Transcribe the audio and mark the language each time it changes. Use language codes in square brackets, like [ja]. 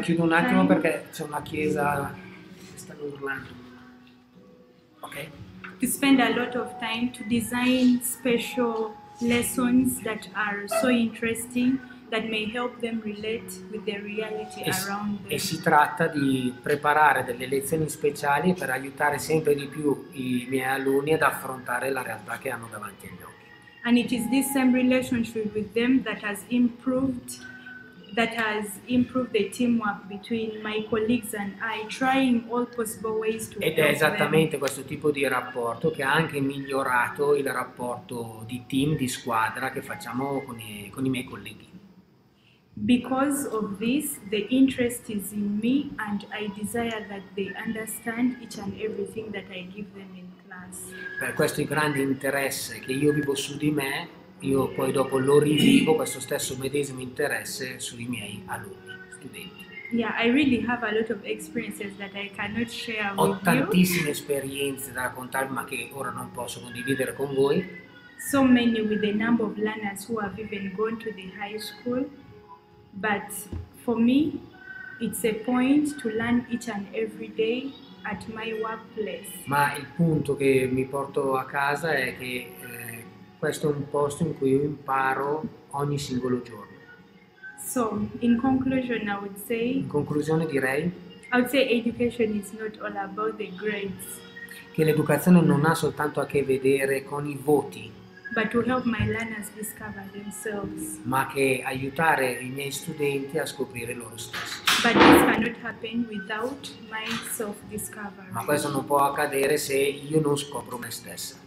[it] chiudo un attimo perché c'è una chiesa che sta urlando. [en] Ok. To spend a lot of time to design special lessons that are so interesting that may help them relate with the reality around them. [it] E si tratta di preparare delle lezioni speciali per aiutare sempre di più i miei alunni ad affrontare la realtà che hanno davanti agli occhi. [en] And it is this same relationship with them that has improved the teamwork between my colleagues and I, trying all possible ways to [it] ed è esattamente [en] them. [it] Questo tipo di rapporto che ha anche migliorato il rapporto di team, di squadra che facciamo con i miei colleghi. [en] because of this, the interest is in me and I desire that they understand each and everything that I give them in class. [it] Per questo grande interesse che io vivo su di me, io poi dopo lo rivivo, questo stesso medesimo interesse sui miei alunni, studenti. [en] Yeah, I really have a lot of experiences that I cannot share with you. [it] Ho tantissime esperienze da raccontarvi, ma che ora non posso condividere con voi. [en] So many with the number of learners who have even gone to the high school. But for me, it's a point to learn each and every day at my workplace. [it] Ma il punto che mi porto a casa è che questo è un posto in cui io imparo ogni singolo giorno. [en] So, in conclusion, I would say. [it] In conclusione direi. [en] I would say education is not all about the grades. [it] Che l'educazione non ha soltanto a che vedere con i voti. [en] But to help my learners discover themselves. [it] Ma che aiutare i miei studenti a scoprire loro stessi. [en] But this cannot happen without my self-discovery. [it] Ma questo non può accadere se io non scopro me stessa.